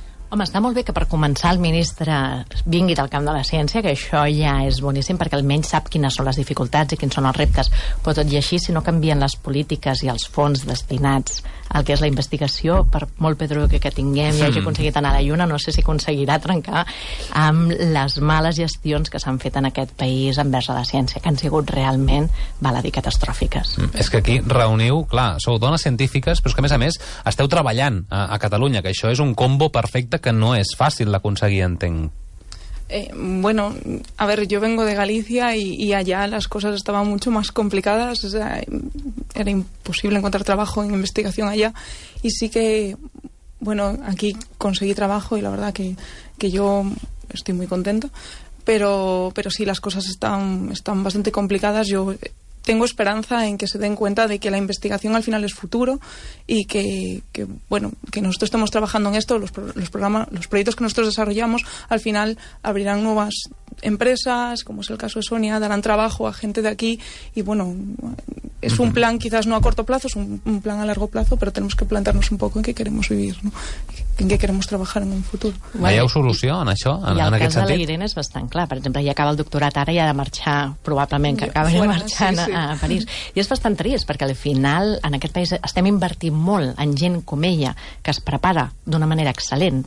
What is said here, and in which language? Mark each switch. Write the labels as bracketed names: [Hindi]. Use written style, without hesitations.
[Catalan] Home, està molt bé que per començar el ministre vingui del camp de la ciència, que això ja és boníssim perquè almenys sap quines són les dificultats i quins són els reptes, però tot i així, si no canvien les polítiques i els fons destinats al que és la investigació, per molt Pedro que tinguem i hagi aconseguit anar a la Lluna, no sé si aconseguirà trencar amb les males gestions que s'han fet en aquest país envers la ciència, que han sigut realment, val a dir, catastròfiques. És que aquí reuniu, clar, sou dones científiques, però és que a més esteu treballant a Catalunya, que això és un combo perfecte que no és fàcil d'aconseguir, entenc. [Spanish] Bueno, a ver, yo vengo de Galicia y allá las cosas estaban mucho más complicadas, o sea, era imposible encontrar trabajo en investigación allá, y sí que, bueno, aquí conseguí trabajo y la verdad que yo estoy muy contenta, pero sí, las cosas están bastante complicadas. Yo tengo esperanza en que se den cuenta de que la investigación al final es futuro y que bueno, que nosotros estemos trabajando en esto, los proyectos que nosotros desarrollamos al final abrirán nuevas empresas, como es el caso de Sonia, darán trabajo a gente de aquí y bueno, es un plan quizás no a corto plazo, es un plan a largo plazo, pero tenemos que plantarnos un poco en qué queremos vivir, ¿no? En què queremos trabajar en un futur. [Catalan] Hi ha solució en això, en aquest sentit? I el cas de la Irene és bastant clar. Per exemple, ja acaba el doctorat ara i ha de marxar, probablement, que acabi marxant a París. I és bastant trist, perquè al final en aquest país estem invertint molt en gent com ella, que es prepara d'una manera excel·lent.